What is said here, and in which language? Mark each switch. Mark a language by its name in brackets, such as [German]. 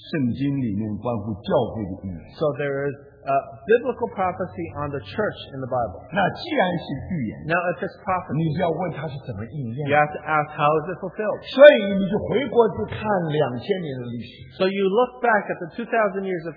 [Chinese] 现在我们终于有了一段圣经里面关乎教会的预言。So [English] there is a biblical prophecy on the church in the Bible. [Chinese] 那既然是预言, [English] now if it's prophecy, [Chinese] 你就要问它是怎么应验, [English] you have to ask how is it fulfilled. [Chinese] 所以你就回过去看2000年的历史, [English] so you look back at the 2000 years of